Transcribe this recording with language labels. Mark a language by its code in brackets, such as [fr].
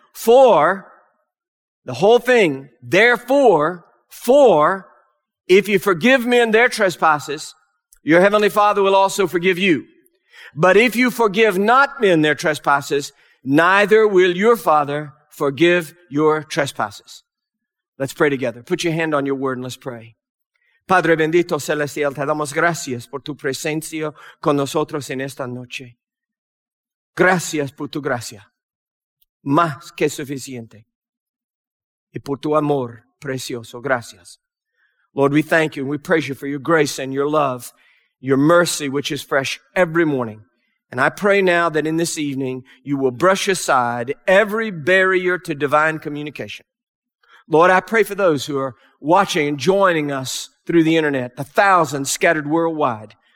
[en] For the whole thing, therefore, for if you forgive men their trespasses, your heavenly Father will also forgive you. But if you forgive not men their trespasses, neither will your Father forgive your trespasses. Let's pray together. Put your hand on your word and let's pray. [es] Padre bendito celestial, te damos gracias por tu presencia con nosotros en esta noche. Gracias por tu gracia, más que suficiente. Y por tu amor precioso, gracias. [en] Lord, we thank you and we praise you for your grace and your love, your mercy, which is fresh every morning. And I pray now that in this evening, you will brush aside every barrier to divine communication. Lord, I pray for those who are watching and joining us through the internet, the thousands scattered worldwide.